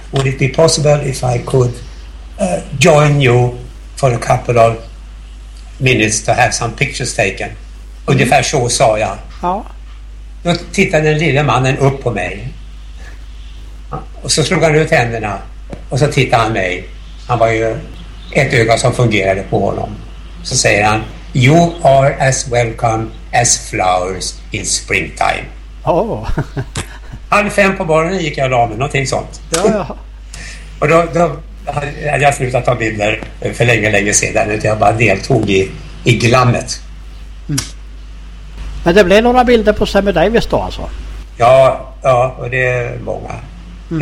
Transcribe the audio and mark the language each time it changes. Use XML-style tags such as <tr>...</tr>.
<en>Would it be possible if I could join you for a couple of minutes to have some pictures taken.</en> <sv>Ungefär så sa jag. Ja. Då tittade den lilla mannen upp på mig. Och så slog han ut händerna. Och så tittade han mig. Han var ju ett öga som fungerade på honom. Så säger han,</sv> <en>you are as welcome as flowers in springtime. Oh.</en> <sv>Halv fem på morgonen gick jag och la mig, någonting sånt. Ja. Och då jag har slutat ta bilder för länge, länge sedan. Jag bara deltog i glammet. Mm. Men det blev några bilder på Sammy Davis då alltså? Ja, ja, och det är många. Mm.</sv>